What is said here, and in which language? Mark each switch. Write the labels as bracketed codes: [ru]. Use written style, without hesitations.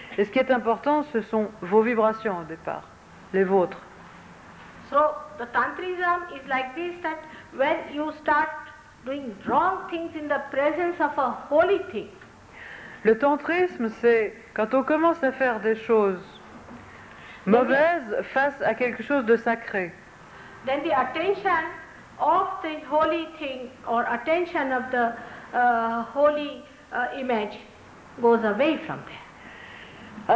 [fr] Et ce qui est important, ce sont vos vibrations au départ, les vôtres. [en] So, the tantrism is like this, that when you start doing wrong things in the presence of a holy thing. [fr] Le tantrisme, c'est quand on commence à faire des choses mauvaises face à quelque chose de sacré. [en] Then the attention of the holy thing or attention of the holy image goes away from there.